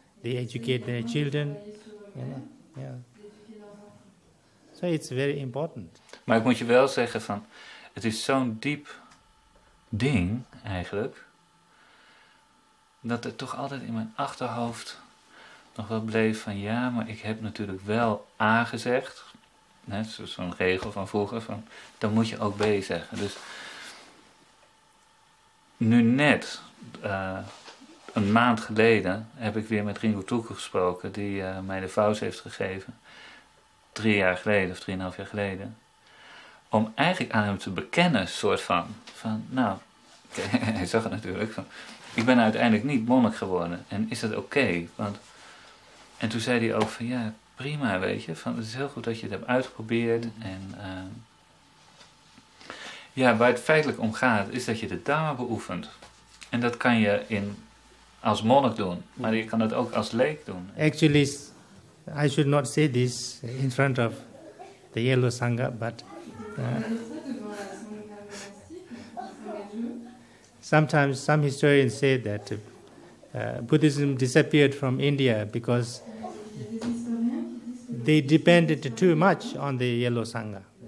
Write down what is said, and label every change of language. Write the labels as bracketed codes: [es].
[en] They educate their children, So it's very important. [nl] Maar ik moet je wel zeggen van, het is zo'n diep ding eigenlijk, dat het toch altijd in mijn achterhoofd nog wel bleef van, ja, maar ik heb natuurlijk wel A gezegd, net zoals zo'n regel van vroeger, van, dan moet je ook B zeggen. Dus nu net, een maand geleden heb ik weer met Ringo Toeke gesproken, die mij de vouws heeft gegeven. 3,5 jaar geleden. Om eigenlijk aan hem te bekennen, soort van. Hij zag het natuurlijk. Van, ik ben uiteindelijk niet monnik geworden. En is dat oké? Okay? En toen zei hij ook van, ja, prima, weet je. Van, het is heel goed dat je het hebt uitgeprobeerd. En waar het feitelijk om gaat, is dat je de dharma beoefent. En dat kan je in als monnik doen, maar je kan het ook als leek doen. [en] Actually, I should not say this in front of the yellow sangha, but sometimes some historians say that Buddhism disappeared from India because they depended too much on the yellow sangha.